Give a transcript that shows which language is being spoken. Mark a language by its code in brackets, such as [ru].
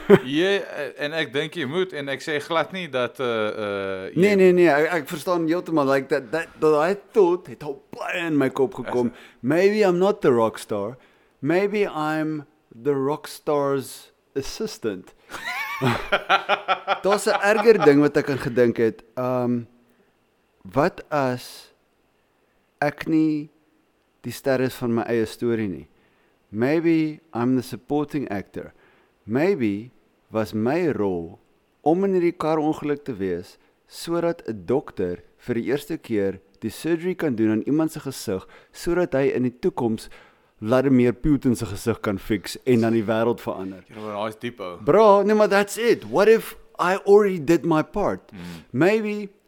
[af] Yeah, en ek dink jy moet, en ek sê glad nie dat... Nee, ek verstaan heeltemal, [en] like that I thought [af] het al baie in my kop gekom. [en] Maybe I'm not the rockstar, maybe I'm the rockstar's assistant. [af] Dat is 'n erger ding wat ek aan gedink het. Wat as ek nie... die ster is van my eie story nie. [en] Maybe I'm the supporting actor. [af] Maybe was my rol om in die kar ongeluk te wees, sodat 'n dokter vir die eerste keer die surgery kan doen aan iemand se gesig, sodat hy in die toekoms Vladimir Putin se gesig kan fix en dan die wêreld verander. Daai is diep, ou. Bro, nee, maar [en] that's it. What if I already did my part? Maybe